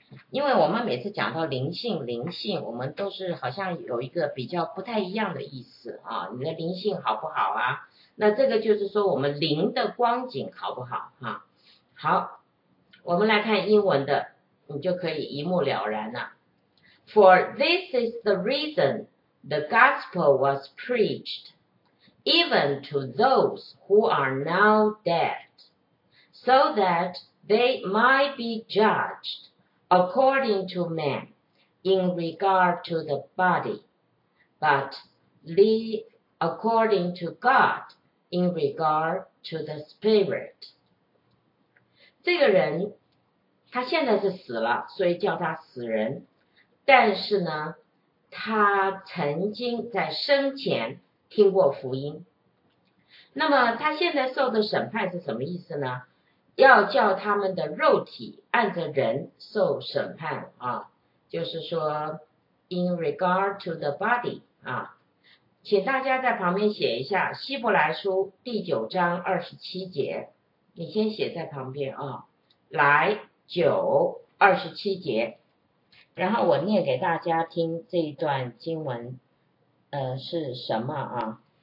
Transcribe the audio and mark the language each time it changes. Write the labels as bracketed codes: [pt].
[zh] 因为我们每次讲到灵性，我们都是好像有一个比较不太一样的意思啊。你的灵性好不好啊？那这个就是说我们灵的光景好不好啊？好，我们来看英文的，你就可以一目了然了。 [en] For this is the reason the gospel was preached, even to those who are now dead, so that they might be judged. According to man, in regard to the body, but according to God, in regard to the spirit. [zh] 这个人，他现在是死了，所以叫他死人。但是呢，他曾经在生前听过福音。那么他现在受的审判是什么意思呢？要叫他们的肉体按着人受审判啊，就是说 [en] in regard to the body [zh] 啊，请大家在旁边写一下希伯来书第九章27节，你先写在旁边啊，来九二十七节，然后我念给大家听这一段经文，是什么啊？